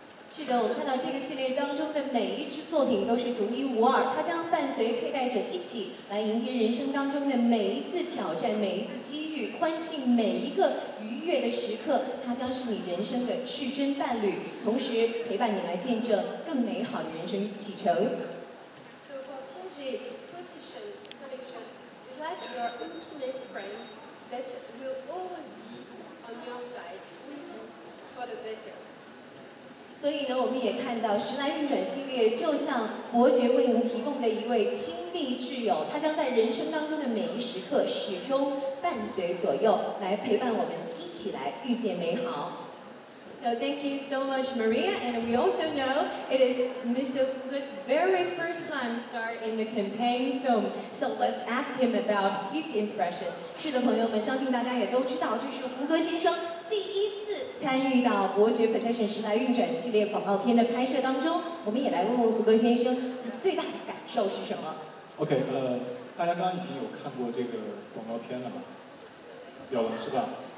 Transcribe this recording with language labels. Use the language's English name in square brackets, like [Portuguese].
[Chinese] 是的，我们看到这个系列当中的每一支作品都是独一无二，它将伴随佩戴者一起来迎接人生当中的每一次挑战，每一次机遇，欢庆每一个愉悦的时刻，它将是你人生的至真伴侣，同时陪伴你来见证更美好的人生启程。 [English] So for Piaget, this position collection is like your intimate friend that will always be on your side with you for the better. [Chinese] 所以呢，我们也看到时来运转系列就像伯爵为您提供的一位亲密挚友，他将在人生当中的每一时刻始终伴随左右，来陪伴我们一起来遇见美好。 [English] So thank you so much, Maria. And we also know it is Mr. Wu's very first time star in the campaign film. So let's ask him about his impression. [Chinese] 是的，朋友们，相信大家也都知道，这是胡歌先生第一次参与到伯爵 Possession 时来运转系列广告片的拍摄当中。我们也来问问胡歌先生，他最大的感受是什么？OK， 大家刚刚已经有看过这个广告片了吧？有了是吧？